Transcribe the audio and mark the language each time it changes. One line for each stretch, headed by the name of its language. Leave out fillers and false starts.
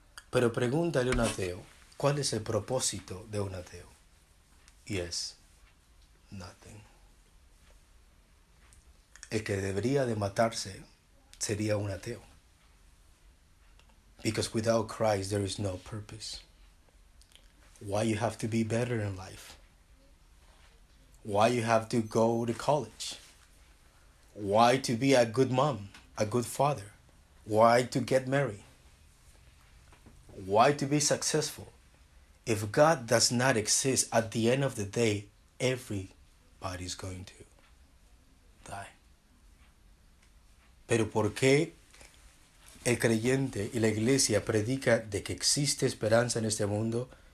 Spanish: Pero pregúntale a un ateo, ¿cuál es el propósito de un ateo? Y es nothing. El que debería de matarse sería un ateo.
English: Because without Christ there is no purpose. Why you have to be better in life? Why you have to go to college? Why to be a good mom, a good father? Why to get married? Why to be successful? If God does not exist, at the end of the day, everybody is going to die.
Spanish: Pero ¿por qué el creyente y la iglesia predica de que existe esperanza en este mundo?